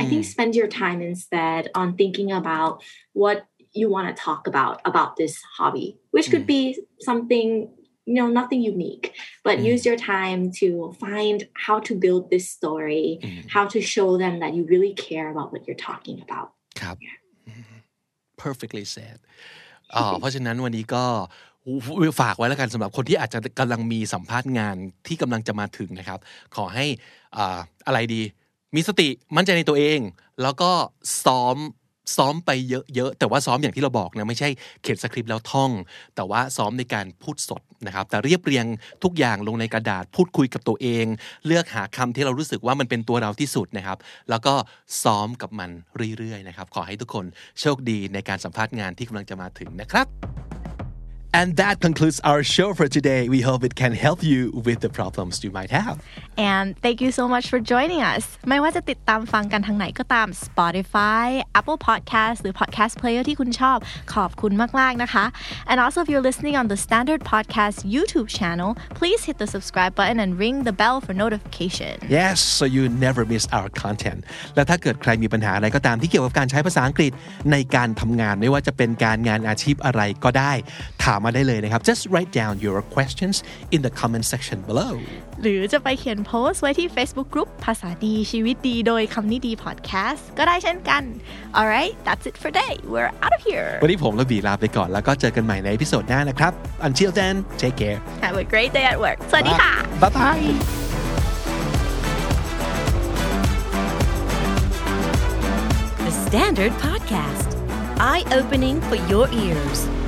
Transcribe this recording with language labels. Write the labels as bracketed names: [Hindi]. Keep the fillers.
[English] I think spend your time instead on thinking about what you want to talk about about this hobby, which could Mm. be something, you know, nothing unique, but Mm. use your time to find how to build this story, อืม how to show them that you really care about what you're talking about. [Thai] ครับ [English] perfectly said [Thai] อ่าเพราะฉะนั้นวันนี้ก็ฝากไว้แล้วกันสำหรับคนที่อาจจะกำลังมีสัมภาษณ์งานที่กำลังจะมาถึงนะครับ ขอให้อ่าอะไรดี มีสติมั่นใจในตัวเอง แล้วก็ซ้อม ซ้อมไปเยอะๆ แต่ว่าซ้อมอย่างที่เราบอกนะไม่ใช่เขียนสคริปต์แล้วท่อง แต่ว่าซ้อมในการพูดสดนะครับ แต่เรียบเรียงทุกอย่างลงในกระดาษพูดคุยกับตัวเอง เลือกหาคำที่เรารู้สึกว่ามันเป็นตัวเราที่สุดนะครับ แล้วก็ซ้อมกับมันเรื่อยๆนะครับ ขอให้ทุกคนโชคดีในการสัมภาษณ์งานที่กำลังจะมาถึงนะครับ [English] And that concludes our show for today. We hope it can help you with the problems you might have. and thank you so much for joining us [Thai] ไม่ว่าจะติดตามฟังกันทางไหนก็ตาม Spotify Apple Podcast หรือ Podcast Player ที่คุณชอบ ขอบคุณมาก ๆ นะคะ [English] and also if you're listening on the Standard Podcast YouTube channel please hit the subscribe button and ring the bell for notification Yes, so you never miss our content. [Thai] และถ้าเกิดใครมีปัญหาอะไรก็ตามที่เกี่ยวกับการใช้ภาษาอังกฤษในการทำงานไม่ว่าจะเป็นการงานอาชีพอะไรก็ได้ ถามมาได้เลยนะครับ [English] Just write down your questions in the comment section below. [Thai] หรือจะไปเขียนโพสต์ไว้ที่ Facebook Group ภาษาดีชีวิตดีโดยคำนี้ดี Podcast ก็ได้เช่นกัน [English] alright that's it for today we're out of here [Thai] วันนี้ผมและบีลาไปก่อนแล้วก็เจอกันใหม่ในเอพิโซดหน้านะครับ [English] Until then, take care. have a great day at work [Thai] สวัสดีค่ะ [English] Bye bye. The Standard Podcast, eye opening for your ears.